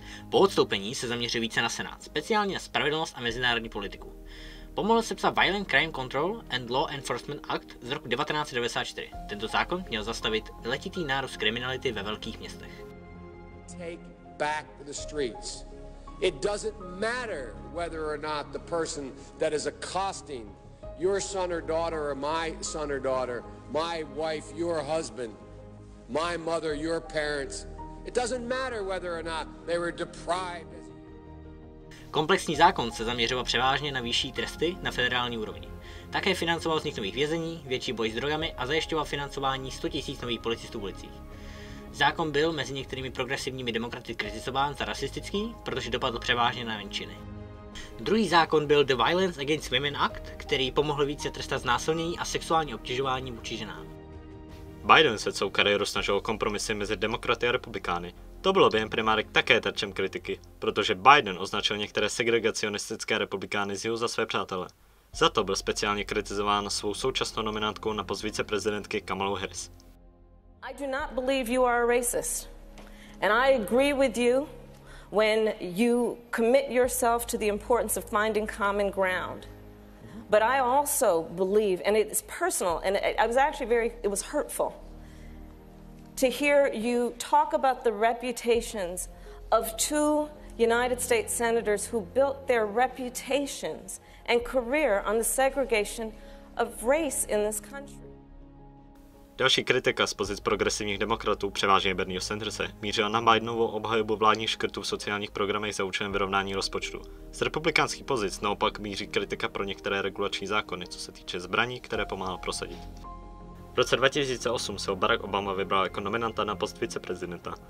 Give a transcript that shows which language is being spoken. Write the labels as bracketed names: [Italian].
[Czech] Po odstoupení se zaměřil více na senát, speciálně na spravedlnost a mezinárodní politiku. Pomohl se psát Violent Crime Control and Law Enforcement Act z roku 1994. Tento zákon měl zastavit letitý nárůst kriminality ve velkých městech. [English] Take back the streets. It doesn't matter whether or not the person that is accosting your son or daughter or my son or daughter, my wife, your husband, my mother, your parents. It doesn't matter whether or not they were deprived. [Czech] Komplexní zákon se zaměřoval převážně na vyšší tresty na federální úrovni. Také financoval vznik nových vězení, větší boj s drogami a zajišťoval financování 100 000 nových policistů v ulicích. Zákon byl mezi některými progresivními demokraty kritizován za rasistický, protože dopadl převážně na menšiny. Druhý zákon byl The Violence Against Women Act, který pomohl více trestat znásilnění a sexuální obtěžování vůči ženám. Biden se celou kariéru snažil o kompromisy mezi demokraty a republikány. To bylo během primárek také terčem kritiky, protože Biden označil některé segregacionistické republikány z jeho za své přátele. Za to byl speciálně kritizován svou současnou nominantkou na post viceprezidentky Kamalou Harris. [English] I do not believe you are a racist. And I agree with you when you commit yourself to the importance of finding common ground. But I also believe, and it's personal, and it was hurtful to hear you talk about the reputations of two United States senators who built their reputations and career on the segregation of race in this country. [Czech] Další kritika z pozic progresivních demokratů, převážně Bernieho Sandersa, mířila na Bidenovou obhajobu vládních škrtů v sociálních programech za účelem vyrovnání rozpočtu. Z republikánských pozic naopak míří kritika pro některé regulační zákony, co se týče zbraní, které pomáhal prosadit. V roce 2008 se Barack Obama vybral jako nominanta na post viceprezidenta.